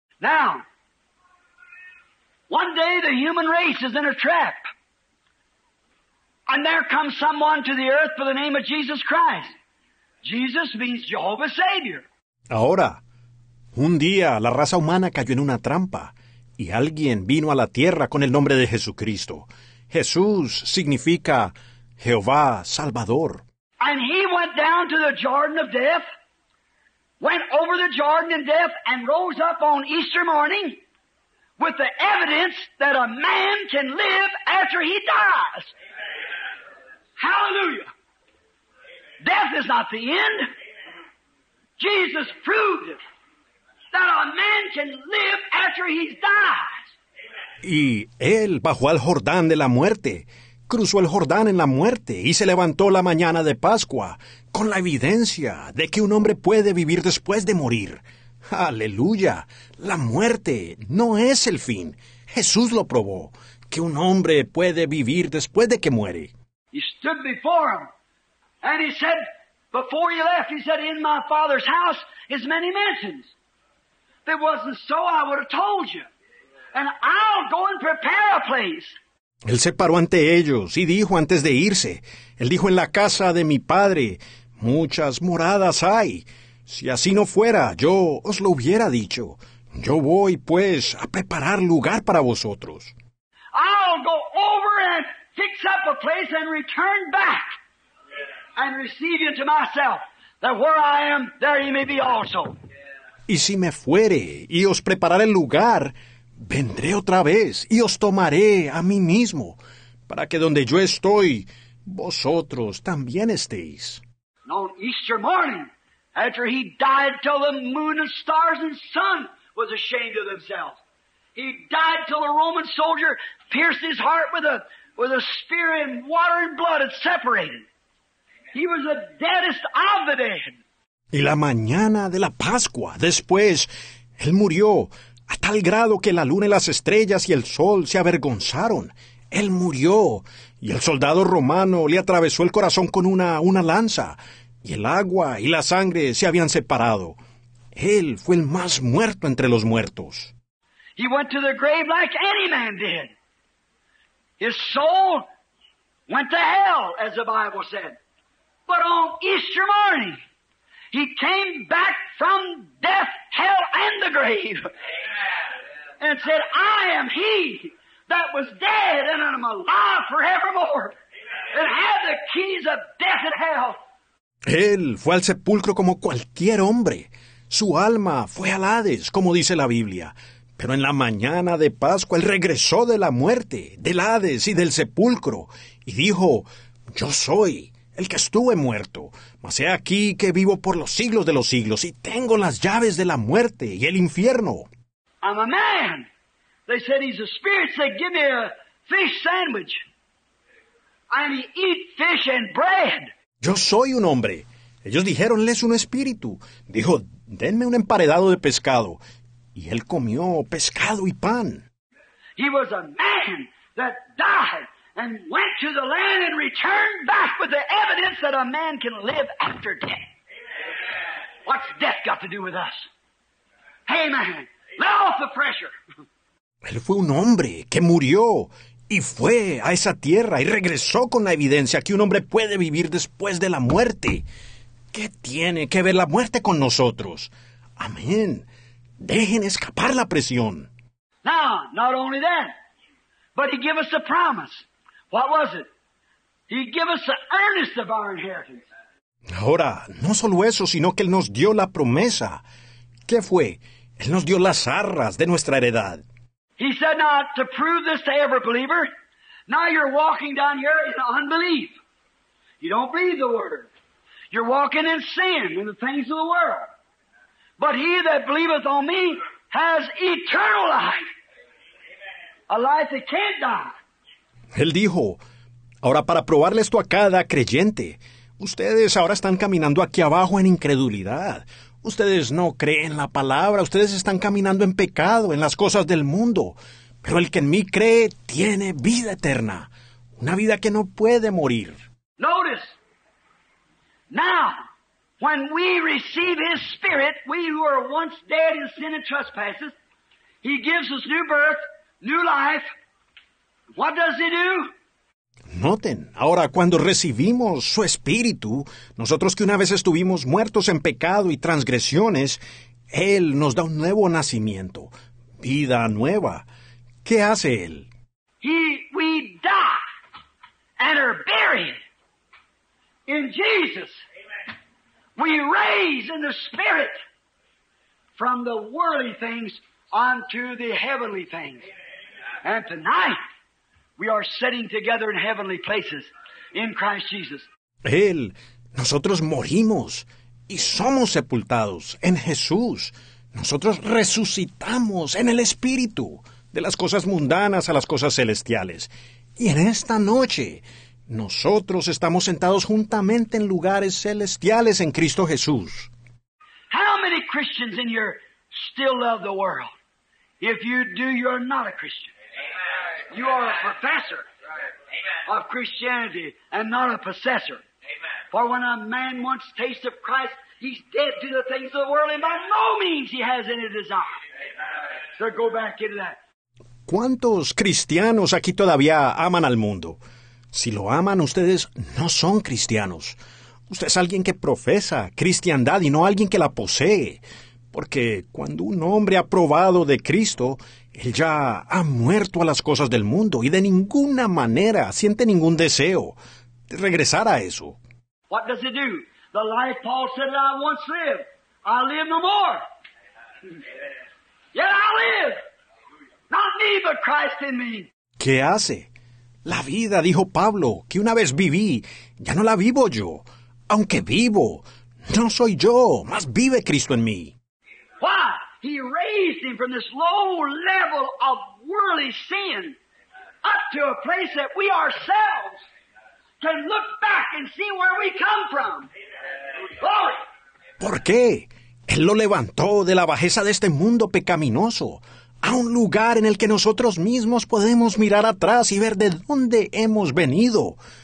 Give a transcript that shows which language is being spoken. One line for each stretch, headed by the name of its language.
English: Now, one day the human race is in a trap. And there comes someone to the earth by the name of Jesus Christ. Jesus means Jehovah's Savior.
Spanish: Ahora, un día la raza humana cayó en una trampa y alguien vino a la tierra con el nombre de Jesucristo. Jesús significa Jehová Salvador.
English: And he went down to the Jordan of Death, went over the Jordan of Death, and rose up on Easter morning with the evidence that a man can live after he dies. Hallelujah! Death is not the end. Jesus proved it, that a man can live after he dies.
Spanish: Y él bajó al Jordán de la muerte, cruzó el Jordán en la muerte y se levantó la mañana de Pascua con la evidencia de que un hombre puede vivir después de morir. ¡Aleluya! La muerte no es el fin. Jesús lo probó, que un hombre puede vivir después de que muere.
English: He stood before him, and he said, before he left, he said, in my father's house is many mansions. If it wasn't so, I would have told you. And I'll go and prepare a place.
Spanish: Él se paró ante ellos y dijo antes de irse, él dijo, en la casa de mi padre muchas moradas hay. Si así no fuera, yo os lo hubiera dicho. Yo voy, pues, a preparar lugar para vosotros.
English: I'll go over and fix up a place and return back and receive you to myself, that where I am, there you may be also.
Spanish: Y si me fuere y os prepararé el lugar, vendré otra vez y os tomaré a mí mismo, para que donde yo estoy, vosotros también estéis.
English: And on Easter morning, after he died till the moon and stars and sun was ashamed of themselves. He died till a Roman soldier pierced his heart with a spear, and water and blood had separated. He was the deadest of the dead.
Spanish: Y la mañana de la Pascua, después, él murió a tal grado que la luna y las estrellas y el sol se avergonzaron. Él murió, y el soldado romano le atravesó el corazón con una lanza, y el agua y la sangre se habían separado. Él fue el más muerto entre los muertos.
English: He went to the grave like any man did. His soul went to hell, as the Bible said. But on Easter morning, he came back from death, hell, and the grave. Amen. And said, I am he that was dead, and I'm alive forevermore. Amen. And had the keys of death and hell.
Spanish: Él fue al sepulcro como cualquier hombre. Su alma fue al Hades, como dice la Biblia. Pero en la mañana de Pascua, él regresó de la muerte, del Hades y del sepulcro, y dijo, yo soy el que estuve muerto, mas he aquí que vivo por los siglos de los siglos, y tengo las llaves de la muerte y el infierno.
English: I'm a man. They said he's a spirit, said, give me a fish sandwich. And he eat fish and bread.
Spanish: Yo soy un hombre. Ellos dijeron, él es un espíritu. Dijo, denme un emparedado de pescado. Y él comió pescado y pan.
English: He was a man that died and went to the land and returned back with the evidence that a man can live after death. What's death got to do with us? Hey man, let off the pressure.
Spanish: Él fue un hombre que murió y fue a esa tierra y regresó con la evidencia que un hombre puede vivir después de la muerte. ¿Qué tiene que ver la muerte con nosotros? Amén. Dejen escapar la presión.
English: Now, not only that, but he gave us a promise. What was it? He gave us the earnest of our inheritance.
Spanish: Ahora, no solo eso, sino que él nos dio la promesa. ¿Qué fue? Él nos dio las arras de nuestra heredad.
English: He said, now, to prove this to every believer, now you're walking down here in unbelief. You don't believe the word. You're walking in sin and the things of the world. But he that believeth on me has eternal life. A life that can't die.
Spanish: Él dijo, ahora para probarle esto a cada creyente, ustedes ahora están caminando aquí abajo en incredulidad. Ustedes no creen la palabra. Ustedes están caminando en pecado, en las cosas del mundo. Pero el que en mí cree tiene vida eterna. Una vida que no puede morir.
English: Notice. Now. When we receive his spirit, we who are once dead in sin and trespasses, he gives us new birth, new life. What does he do?
Spanish: Noten, ahora cuando recibimos su Espíritu, nosotros que una vez estuvimos muertos en pecado y transgresiones, Él nos da un nuevo nacimiento, vida nueva. ¿Qué hace Él?
English: We die and are buried in Jesus. We raise in the Spirit from the worldly things unto the heavenly things. And tonight, we are sitting together in heavenly places in Christ Jesus.
Spanish: Él, nosotros morimos y somos sepultados en Jesús. Nosotros resucitamos en el Espíritu, de las cosas mundanas a las cosas celestiales. Y en esta noche, nosotros estamos sentados juntamente en lugares celestiales en Cristo Jesús.
English: How many Christians in here still love the world? If you do, you're not a Christian. Amen. You are a professor of Christianity and not a possessor. Amen. For when a man wants taste of Christ, he's dead to the things of the world, and by no means he has any desire. Amen. So go back into that.
Spanish: ¿Cuántos cristianos aquí todavía aman al mundo? Si lo aman, ustedes no son cristianos. Usted es alguien que profesa cristiandad y no alguien que la posee. Porque cuando un hombre ha probado de Cristo, él ya ha muerto a las cosas del mundo y de ninguna manera siente ningún deseo de regresar a eso.
English: What does it do? The life Paul said that I once lived, I live no more. Yet I live. Not me, but Christ in me.
Spanish: ¿Qué hace? La vida, dijo Pablo, que una vez viví, ya no la vivo yo. Aunque vivo, no soy yo, mas vive Cristo en mí.
English: Why? He raised him from this low level of worldly sin up to a place that we ourselves can look back and see where we come from. Glory!
Spanish: ¿Por qué? Él lo levantó de la bajeza de este mundo pecaminoso a un lugar en el que nosotros mismos podemos mirar atrás y ver de dónde hemos venido.